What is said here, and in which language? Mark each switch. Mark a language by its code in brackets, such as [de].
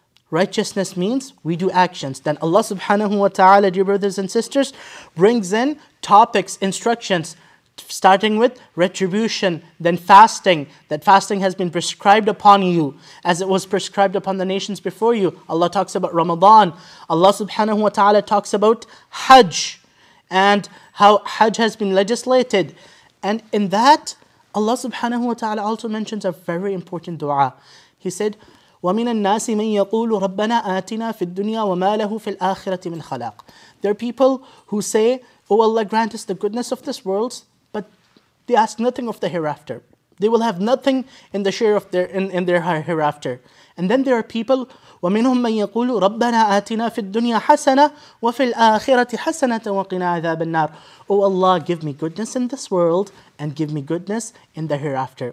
[en] Righteousness means we do actions. Then Allah subhanahu wa ta'ala, dear brothers and sisters, brings in topics, instructions, starting with retribution, then fasting, that fasting has been prescribed upon you as it was prescribed upon the nations before you. Allah talks about Ramadan. Allah subhanahu wa ta'ala talks about Hajj and how Hajj has been legislated. And in that, Allah subhanahu wa ta'ala also mentions a very important dua. He said, [ar] وَمِنَ النَّاسِ مَنْ يَقُولُ رَبَّنَا آتِنَا فِي الدُّنْيَا وَمَا لَهُ فِي الْآخِرَةِ مِنْ خَلَاقٍ. [en] There are people who say, oh Allah, grant us the goodness of this world. They ask nothing of the hereafter. They will have nothing in the share of their in their hereafter. And then there are people, [ar] وَمِنْهُمْ مَنْ يَقُولُ رَبَّنَا آتِنَا فِي الدُّنْيَا حَسَنَةً وَفِي الْآخِرَةِ حَسَنَةً وَقِنَا عَذَابَ النَّارِ. [en] Oh Allah, give me goodness in this world and give me goodness in the hereafter.